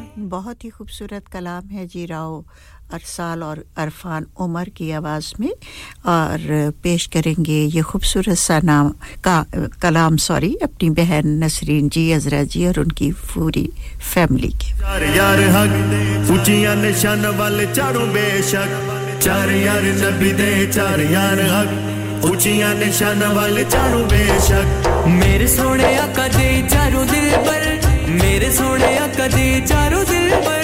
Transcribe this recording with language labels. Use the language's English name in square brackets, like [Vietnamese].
[Urdu] بہت ہی خوبصورت کلام ہے جی راؤ ارسال اور عرفان عمر کی آواز میں اور پیش کریں گے یہ خوبصورت سا نام کا کلام سوری اپنی بہن نسرین جی عزرا جی اور ان کی پوری فیملی کے [Punjabi] یار یار حق دے اونچیاں نشان والے چاروں بے شک چار یار نبی دے چار یار حق اونچیاں نشان والے چاروں بے شک میرے سونے آقا دے چاروں دل پر mere sone aka de charo dil par